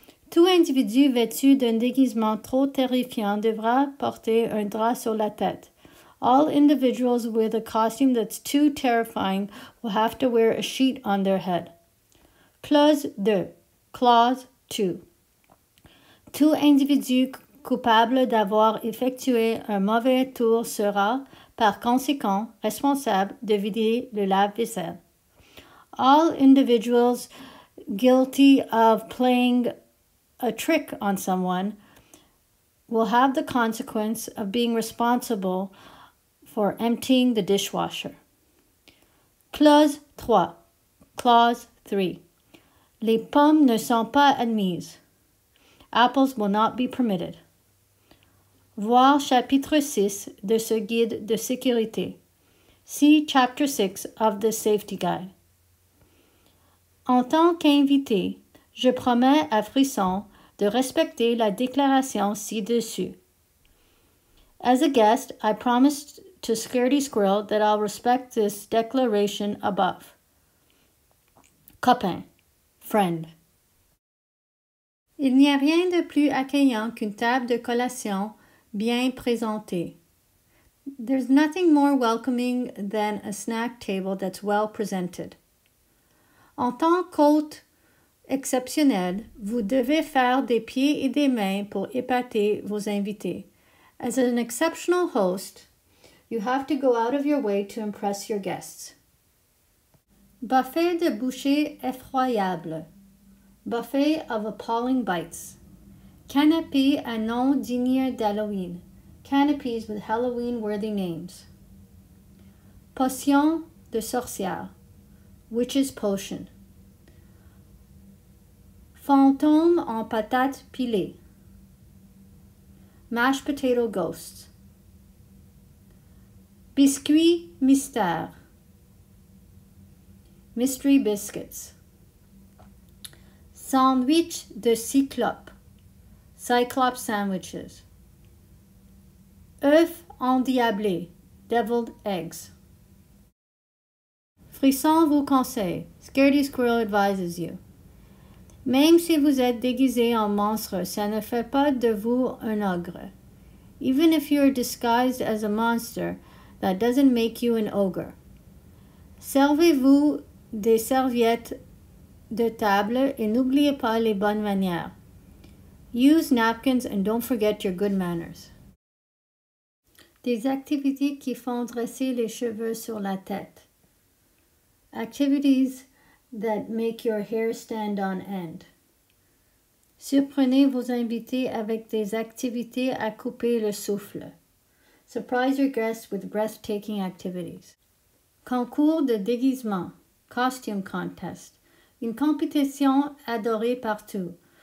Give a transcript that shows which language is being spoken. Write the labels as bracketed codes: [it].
[fr] Tout individu vêtu d'un déguisement trop terrifiant devra porter un drap sur la tête. [en] All individuals with a costume that's too terrifying will have to wear a sheet on their head. Clause 2. Clause 2. [fr] Tout individu coupable d'avoir effectué un mauvais tour sera, par conséquent, responsable de vider le lave-vaisselle. [en] All individuals guilty of playing a trick on someone will have the consequence of being responsible for emptying the dishwasher. Clause 3. Clause 3. [fr] Les pommes ne sont pas admises. [en] Apples will not be permitted. [fr] Voir chapitre 6 de ce guide de sécurité. [en] See chapter 6 of the safety guide. [fr] En tant qu'invité, je promets à Frisson de respecter la déclaration ci-dessus. [en] As a guest, I promised to Scaredy Squirrel that I'll respect this declaration above. [fr] Copain, friend. Il n'y a rien de plus accueillant qu'une table de collation bien présentée. [en] There's nothing more welcoming than a snack table that's well presented. [fr] En tant qu'hôte exceptionnel, vous devez faire des pieds et des mains pour épater vos invités. [en] As an exceptional host, you have to go out of your way to impress your guests. [fr] Buffet de bouchées effroyable. [en] Buffet of appalling bites. [fr] Canapé à nom digne d'Halloween. [en] Canopies with Halloween-worthy names. [fr] Potion de sorcière. [en] Witch's potion. [fr] Fantôme en patates pilées. [en] Mashed potato ghosts. [fr] Biscuit mystère. [en] Mystery biscuits. [fr] Sandwich de cyclope. [en] Cyclops sandwiches. [fr] Œuf endiablé. [en] Deviled eggs. [fr] Frisson vous conseille. [en] Scaredy Squirrel advises you. [fr] Même si vous êtes déguisé en monstre, ça ne fait pas de vous un ogre. [en] Even if you are disguised as a monster, that doesn't make you an ogre. [fr] Servez-vous des serviettes de table et n'oubliez pas les bonnes manières. [en] Use napkins and don't forget your good manners. [fr] Des activités qui font dresser les cheveux sur la tête. [en] Activities that make your hair stand on end. [fr] Surprenez vos invités avec des activités à couper le souffle. [en] Surprise your guests with breathtaking activities. [fr] Concours de déguisement. [en] Costume contest. [fr] Une compétition adorée partout.